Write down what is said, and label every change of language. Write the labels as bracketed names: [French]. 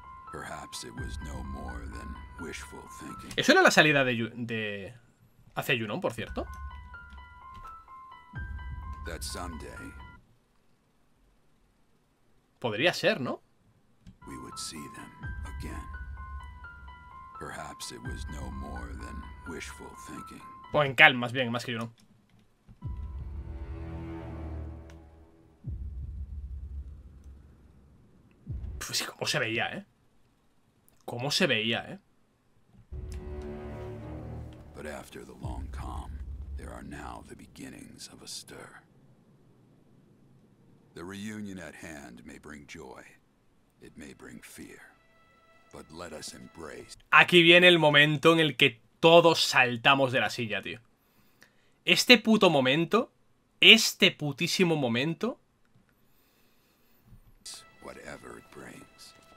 [English] Perhaps it was no more than wishful thinking. [Spanish] Eso era la salida de hacia Junon, por cierto. [English] That someday [Spanish] podría ser, ¿no? [English] We would see them again. Perhaps it was no more than wishful thinking. [Spanish] O en calma, más bien, más que Junon. Pues cómo se veía, ¿eh? ¿Cómo se veía, eh? [English] But after the long calm, there are now the beginnings of a stir. The reunion at hand may bring joy, it may bring fear, but let us embrace. [Spanish] Aquí viene el momento en el que todos saltamos de la silla, tío. Este puto momento, este putísimo momento. [English] Whatever it brings.